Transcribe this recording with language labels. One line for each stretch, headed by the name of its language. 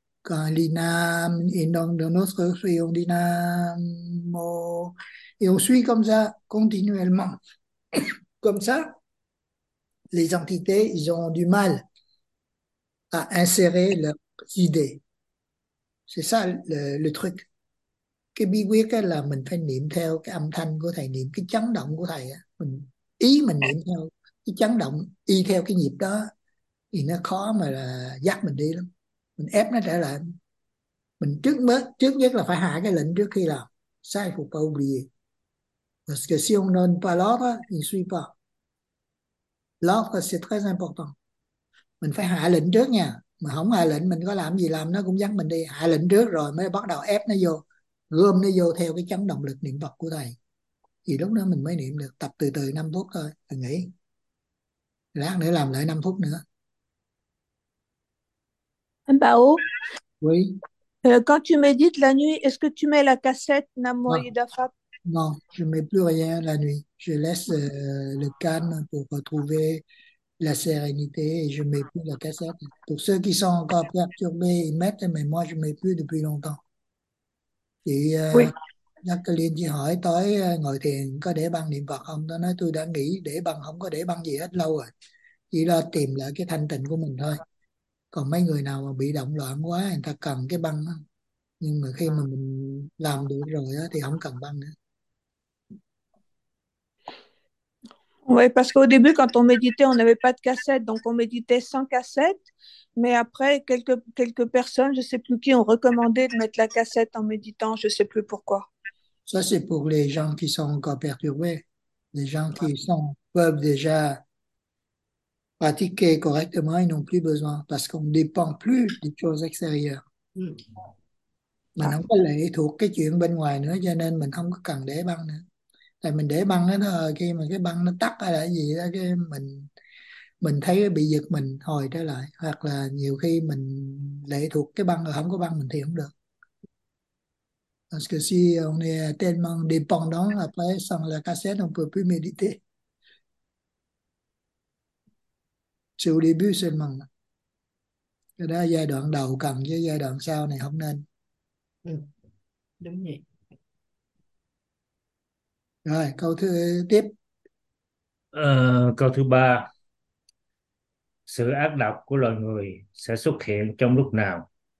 French: Quand l'inam est dans notre esprit, on dit namo, et on suit comme ça continuellement. Comme ça, les entités, ils ont du mal à insérer leurs idées. C'est ça le truc.
Vietnamese: Cái bí quyết là mình phải niệm theo cái âm thanh của thầy niệm, cái chấn động của thầy. Ý mình niệm theo cái chấn động, y theo cái nhịp đó, thì nó khó mà là dắt mình đi lắm. Mình ép nó trở lại, mình trước nhất là phải hạ cái lệnh trước khi làm sai phục câu gì
French: parce que si on donne pas l'ordre il suit pas, l'ordre c'est très important,
Vietnamese: mình phải hạ lệnh trước nha, mà không hạ lệnh mình có làm gì làm nó cũng dắt mình đi, hạ lệnh trước rồi mới bắt đầu ép nó vô, gom nó vô theo cái chấn động lực niệm Phật của thầy thì lúc đó mình mới niệm được. Tập từ từ 5 phút thôi, đừng nghĩ lát nữa làm lại 5 phút nữa. Bao,
French: Oui. quand tu médites la nuit, est-ce que tu mets la cassette Non. Namo Yudafat? Non, je ne mets plus rien la nuit. Je laisse le calme pour retrouver la sérénité et je ne mets plus la cassette. Pour ceux qui sont encore perturbés, ils mettent, mais moi, je ne mets plus depuis longtemps.
Vietnamese: Et Jacqueline chị hỏi tới ngồi thiền có để băng niệm Phật không? Tôi nói tôi đã nghỉ để băng, không có để băng gì hết lâu rồi. Chỉ lo tìm lại cái thanh tịnh của mình thôi. Còn mấy người nào mà bị động loạn quá người ta cần cái băng đó. Nhưng mà khi mà mình làm được rồi đó, thì không cần băng nữa.
French: Oui, parce qu'au début, quand on méditait, on n'avait pas de cassette, donc on méditait sans cassette. Mais après, quelques personnes, je ne sais plus qui, ont recommandé de mettre la cassette en méditant, je ne sais plus pourquoi. Ça, c'est pour les gens qui sont encore perturbés, les gens qui sont peuvent déjà pratiquer correctement, ils n'ont plus besoin parce qu'on ne dépend plus des choses extérieures.
Vietnamese: Mình không có lệ thuộc cái chuyện bên ngoài nữa cho nên mình không có cần để băng nữa. Tại mình để băng đó, khi mà cái băng nó tắt hay là gì đó, cái mình thấy bị giật mình hồi trở lại. Hoặc là nhiều khi mình lệ thuộc cái băng rồi không có băng mình thì không được.
French: Parce que si on est tellement dépendant, après sans la cassette, on ne peut plus méditer. c'est au début seulement.
Vietnamese: Cái đó giai đoạn đầu cần, với giai đoạn sau này không nên. Ừ, đúng vậy. Rồi, câu thứ tiếp. Câu thứ ba, sự ác độc của loài người sẽ xuất hiện trong lúc nào?